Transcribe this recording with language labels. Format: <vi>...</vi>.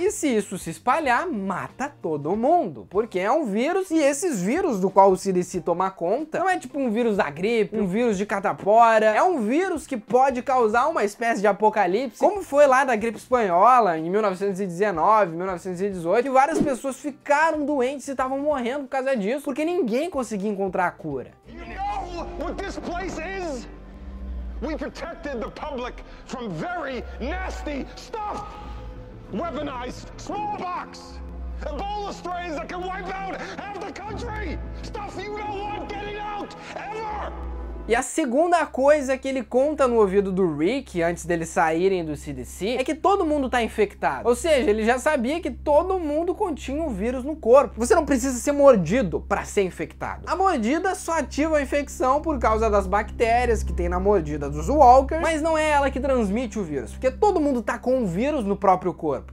<pt>E se isso se espalhar, mata todo mundo. Porque é um vírus, e esses vírus do qual o CDC toma conta, não é tipo um vírus da gripe, um vírus de catapora. É um vírus que pode causar uma espécie de apocalipse, como foi lá da gripe espanhola, em 1919, 1918, que várias pessoas ficaram doentes e estavam morrendo por causa disso, porque ninguém conseguia encontrar a cura. Você sabe o que esse lugar é?</pt> <en>We protected the public from very nasty stuff. Weaponized smallpox. Ebola strains that can wipe out half the country. Stuff you don't want getting out ever.</en> <pt>E a segunda coisa que ele conta no ouvido do Rick, antes deles saírem do CDC, é que todo mundo tá infectado. Ou seja, ele já sabia que todo mundo continha o vírus no corpo. Você não precisa ser mordido pra ser infectado. A mordida só ativa a infecção por causa das bactérias que tem na mordida dos walkers, mas não é ela que transmite o vírus, porque todo mundo tá com o vírus no próprio corpo.</pt>